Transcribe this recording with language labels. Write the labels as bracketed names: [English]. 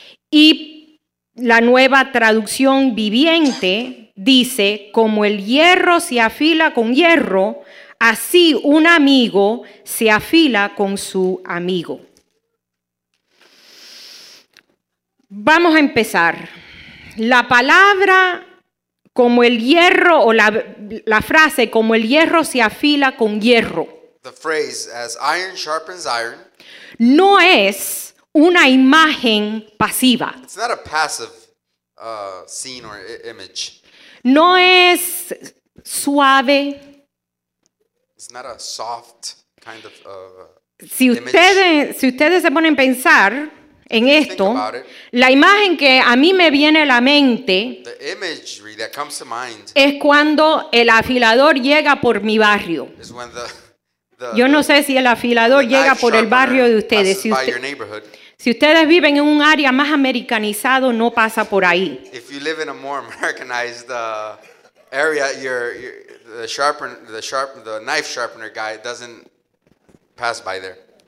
[Spanish] Y la Nueva Traducción Viviente dice: Como el hierro se afila con hierro, así un amigo se afila con su amigo. Vamos a empezar. La palabra como el hierro, o la frase como el hierro se afila con hierro. [English] The phrase, as iron sharpens iron. [Spanish] No es una imagen pasiva. [English] It's not a passive scene or image. [Spanish] No es suave. [English] It's not a soft kind of [Spanish] si ustedes [English] image. [Spanish] Si ustedes se ponen a pensar en esto, [English] think about it, [Spanish] la imagen que a mí me viene a la mente, [English] the imagery that comes to mind, [Spanish] es cuando el afilador llega por mi barrio. [English] Is when the [Spanish] yo no sé si el afilador llega por el barrio de ustedes. [English] Passes by your neighborhood. [Spanish] Si ustedes viven en un área más americanizado, no pasa por ahí. [English] If you live in a more americanized area, the knife sharpener guy doesn't pass by there.